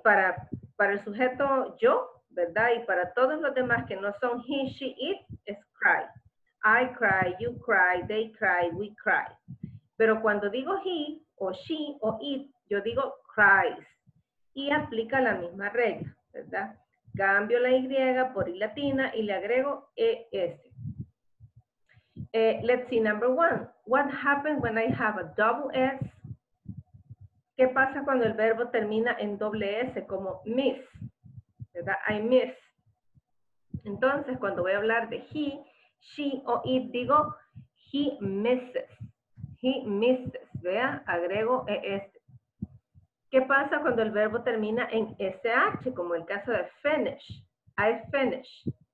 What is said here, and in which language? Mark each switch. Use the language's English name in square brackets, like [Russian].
[Spanish] Para el sujeto yo, ¿verdad? Y para todos los demás que no son he, she, it, es cry. [English] I cry, you cry, they cry, we cry. [Spanish] Pero cuando digo he o she o it, yo digo cries. Y aplica la misma regla, ¿verdad? Cambio la Y por I latina y le agrego ES. [English] Let's see, number one. What happens when I have a double S? [Spanish] ¿Qué pasa cuando el verbo termina en doble S? Como miss, ¿verdad? [English] I miss. [Spanish] Entonces, cuando voy a hablar de he, she o it, digo [English] he misses. He misses, [Spanish] ¿vea? Agrego ES. ¿Qué pasa cuando el verbo termina en SH, como el caso de finish? [English] I finish.